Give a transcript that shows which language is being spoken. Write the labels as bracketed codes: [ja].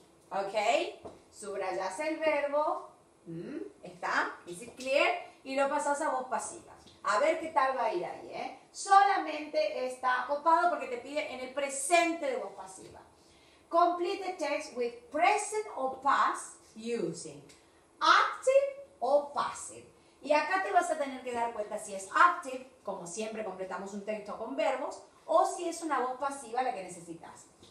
[es] Okay, subrayas el verbo. ¿Está? [en] Is it clear? [es] Y lo pasas a voz pasiva. A ver qué tal va a ir ahí, ¿eh? Solamente está copado porque te pide en el presente de voz pasiva. [en] Complete the text with present or past using active or passive. [es] Y acá te vas a tener que dar cuenta si es active, como siempre completamos un texto con verbos, o si es una voz pasiva la que necesitas.